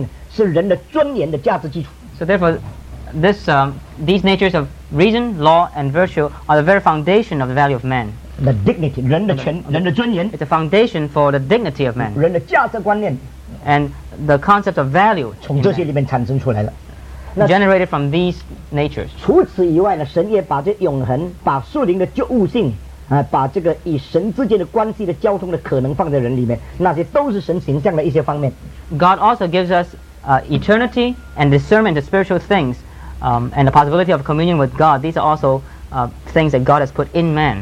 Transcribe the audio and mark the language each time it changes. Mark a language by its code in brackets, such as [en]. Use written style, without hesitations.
[zh] 所以这个理性、法性同德性是人的尊严的价值基础。 [en] So therefore, this, these natures of reason, law, and virtue are the very foundation of the value of man. The dignity, [zh] 人的权, the, 人的尊严。 [en] It's a foundation for the dignity of man. [zh] 人的价值观念。 [en] And the concept of value [zh] 从这些里面产生出来了。 [en] Generated from these natures. [zh] 除此以外呢, 神也把这永恒, 把树林的旧物性, 把这个与神之间的关系的交通的可能放在人里面，那些都是神形象的一些方面。 [en] God also gives us eternity and discernment of spiritual things, and the possibility of communion with God. These are also things that God has put in man.